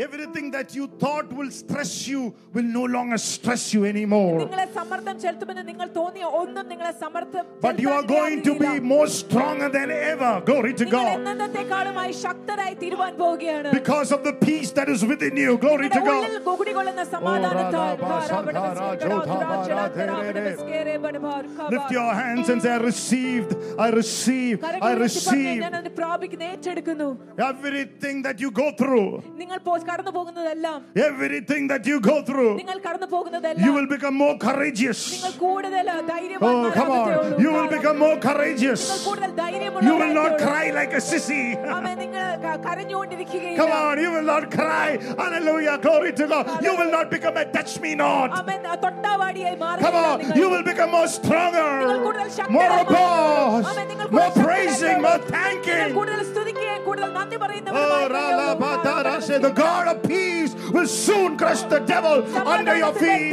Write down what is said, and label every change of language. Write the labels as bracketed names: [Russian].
[English] Everything that you thought will stress you will no longer stress you anymore. [Malayalam] നിങ്ങളെ സമ്മർദ്ദം ചെലുത്തുമെന്ന് നിങ്ങൾ തോന്നിയ ഒന്നും നിങ്ങളെ സമ്മർദ്ദം. [English] But you are going to be more stronger than ever. Glory to God. [Malayalam] നിങ്ങൾ എന്നെന്നേക്കാളുമായി ശക്തരായി തീരുവാൻ പോവുകയാണ്. [English] Because of the peace that is within you. Glory to God. [Malayalam] നിങ്ങളുടെ ഉള്ളിൽ കുടികൊള്ളുന്ന സമാധാനത്താൽ. [English] Lift your hands and say, I receive [Malayalam] ഞാൻ പ്രാപിക്കുന്നു, ഏറ്റെടുക്കുന്നു. [English] Everything that you go through, [Malayalam] നിങ്ങൾ കടന്നു പോകുന്നതെല്ലാം. [English] Everything that you go through, [Malayalam] നിങ്ങൾ കടന്നു പോകുന്നതെല്ലാം. [English] You will become more courageous. [Malayalam] നിങ്ങൾ കൂടുതൽ ധൈര്യവാനാകും. [English] Oh, come on. You will become more courageous. [Malayalam] നിങ്ങൾ കൂടുതൽ ധൈര്യമുള്ളവരാകും. [English] You will not cry like a sissy. [Malayalam] അമേ, നിങ്ങൾ കരഞ്ഞുകൊണ്ടിരിക്കുകയില്ല. [English] Come on. You will not cry. Hallelujah. Glory to God. You will not become a touch me not. [Malayalam] അമേ, തൊട്ടാവാടിയായി മാറില്ല. [English] Come on. You will become more stronger. [Malayalam] നിങ്ങൾ കൂടുതൽ ശക്തരാകും. [English] More robust, more praising, more thanking. The God of peace will soon crush the devil under your feet.